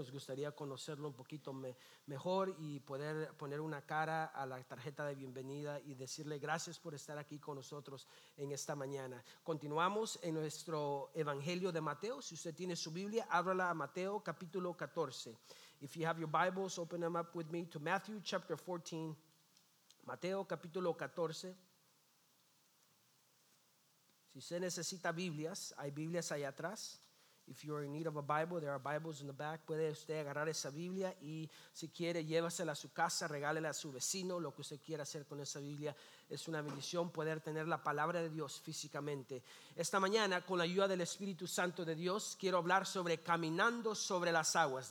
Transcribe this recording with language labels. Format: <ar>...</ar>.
<es>Nos gustaría conocerlo un poquito mejor y poder poner una cara a la tarjeta de bienvenida y decirle gracias por estar aquí con nosotros en esta mañana. Continuamos en nuestro Evangelio de Mateo. Si usted tiene su Biblia, ábrala a Mateo capítulo 14.</es> <en>If you have your Bibles, open them up with me to Matthew chapter 14.</en> <es>Mateo capítulo 14. Si usted necesita Biblias, hay Biblias allá atrás.</es> <en>If you are in need of a Bible, there are Bibles in the back.</en> <es>Puede usted agarrar esa Biblia y si quiere llévasela a su casa, regálela a su vecino, lo que usted quiera hacer con esa Biblia. Es una bendición poder tener la palabra de Dios físicamente. Esta mañana, con la ayuda del Espíritu Santo de Dios, quiero hablar sobre caminando sobre las aguas.</es>